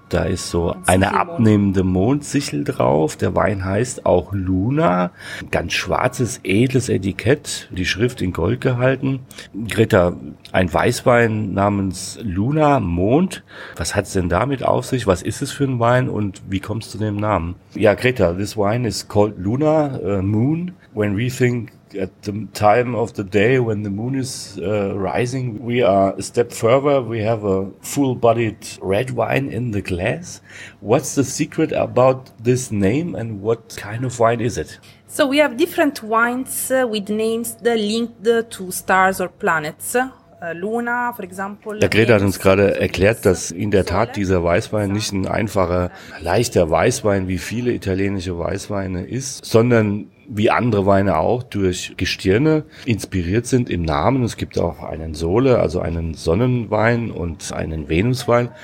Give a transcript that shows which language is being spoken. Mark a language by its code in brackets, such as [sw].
[de] Da ist so eine abnehmende Mondsichel drauf. Der Wein heißt auch Luna. Ganz schwarzes, edles Etikett. Die Schrift in Gold gehalten. Greta, ein Weißwein namens Luna Mond. Was hat es denn damit auf sich? Was ist es für ein Wein und wie kommst du zu dem Namen? [en] Ja, Greta, this wine is called Luna Moon. When we think at the time of the day when the moon is rising, we are a step further. We have a full-bodied red wine in the glass. What's the secret about this name and what kind of wine is it? So we have different wines with names that link to stars or planets. Luna, for example. [de] Der Greta hat uns gerade erklärt, dass in der Tat dieser Weißwein nicht ein einfacher, leichter Weißwein wie viele italienische Weißweine ist, sondern wie andere Weine auch durch Gestirne inspiriert sind im Namen. Es gibt auch einen Sole, also einen Sonnenwein und einen Venuswein.